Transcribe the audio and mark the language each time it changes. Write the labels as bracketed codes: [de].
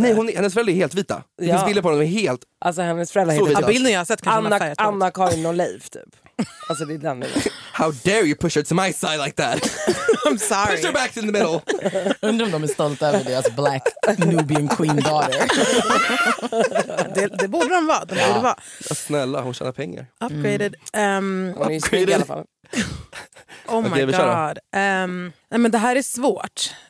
[sv] Nej, hennes föräldrar är helt vita. Det finns bilder på dem, de är helt. Alltså hennes föräldrar är helt. Ja, bilden jag har sett kanske Anna Karin och Leif typ. Alltså det är den. [en] How dare you push her to my side like that? I'm sorry. Push her back in the middle. [sv] Undrar om de är stolta över deras [en] black Nubian queen daughter. [sv] Det borde de vara. De borde vara. Snälla, hon tjänar pengar. [en] Upgraded. [sv] Hon är snygg i alla fall. [en] Oh my okay, god. [sv] Nej, men det här är svårt.